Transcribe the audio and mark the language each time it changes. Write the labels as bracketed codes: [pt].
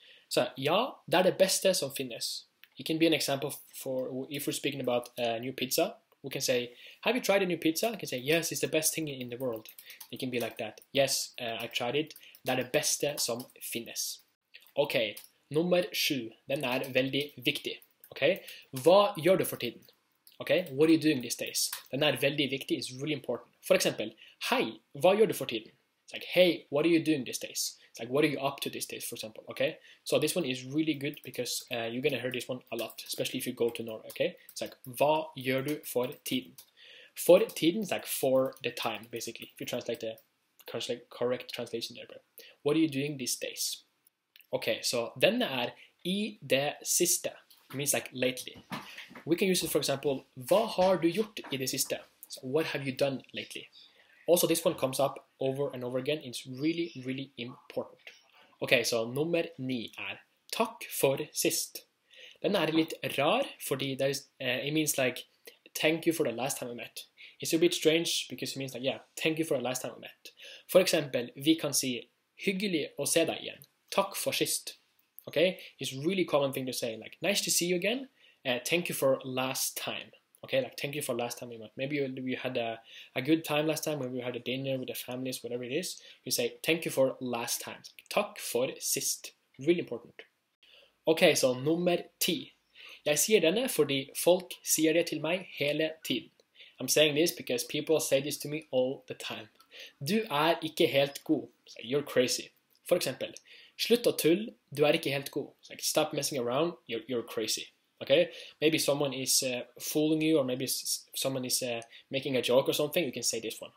[no] Så ja, det det beste som finnes. [en] It can be an example for, if we're speaking about a new pizza, we can say, have you tried a new pizza? I can say, yes, it's the best thing in the world. It can be like that. Yes, I tried it. [no] Det det beste som finnes. Ok, nummer 7. Den veldig viktig. Ok, hva gjør du for tiden? [en] Ok, what are you doing these days? [no] Den veldig viktig, [en] it's really important. [no] For eksempel, hei, hva gjør du for tiden? [en] It's like, hey, what are you doing these days? It's like, what are you up to these days, for example, okay? So this one is really good because you're going to hear this one a lot, especially if you go to Norway, okay? It's like, [no] hva gjør du for tiden? [en] For tiden is like for the time, basically, if you translate the correct translation there. But what are you doing these days? Okay, so [no] denne I det siste. [en] It means like lately. We can use it, for example, [no] hva har du gjort I det siste? [en] So what have you done lately? Also, this one comes up over and over again. It's really, really important. Okay, so [no] nummer 9 takk for sist. Den litt rar, fordi [en] it means like, thank you for the last time we met. It's a bit strange because it means like, yeah, thank you for the last time we met. For example, [no] vi kan si, hyggelig å se deg igjen. Takk for sist. [en] Okay, it's really common thing to say like, nice to see you again. Thank you for last time. Okay, like, thank you for last time we met. Maybe you had a good time last time, maybe we had a dinner with the families, whatever it is. You say, thank you for last time. [no] Takk for sist. [en] Really important. Okay, so nummer 10. [no] Jeg sier denne fordi folk sier det til meg hele tiden. [en] I'm saying this because people say this to me all the time. [no] Du ikke helt god. [en] So you're crazy. For example, [no] slutt å tull, du ikke helt god. [en] So like, stop messing around, you're crazy. Okay, maybe someone is fooling you, or maybe someone is making a joke or something. You can say this one.